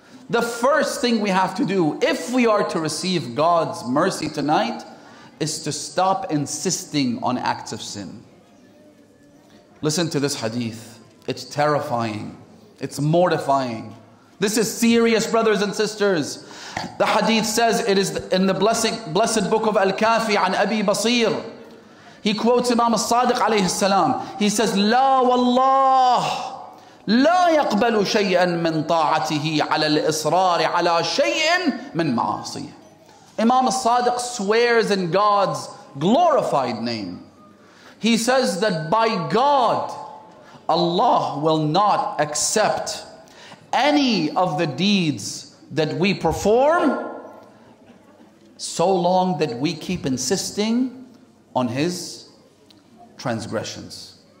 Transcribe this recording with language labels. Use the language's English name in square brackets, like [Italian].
[English] The first thing we have to do, if we are to receive God's mercy tonight, is to stop insisting on acts of sin. Listen to this hadith. It's terrifying. It's mortifying. This is serious, brothers and sisters. The hadith says, it is in the blessed book of Al-Kafi, an Abi Basir. He quotes Imam al-Sadiq alayhi salam. He says, [Arabic] لا والله لا يقبل شيئا من طاعته على الإصرار على شيء من معاصية. [English] Imam al-Sadiq swears in God's glorified name. He says that by God, Allah will not accept any of the deeds that we perform so long that we keep insisting on his transgressions.